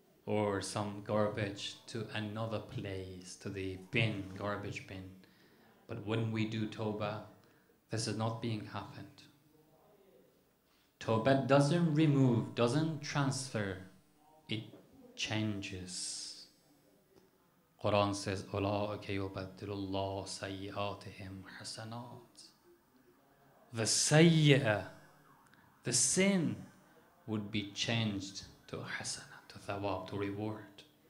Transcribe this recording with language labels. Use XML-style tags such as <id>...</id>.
<en>or some garbage to another place, to the bin, garbage bin. But when we do Tawbah, this is not being happened. Tawbah doesn't remove, doesn't transfer, it changes. Quran says,</en> <ar>أُولَٰئِكَ يُبَدِّلُ اللَّهُ سَيِّئَاتِهِمْ حَسَنَاتِ.</ar> <en>The سَيِّئَة, the sin, would be changed to حَسَنَة, to ثَوَاب, to reward.</en>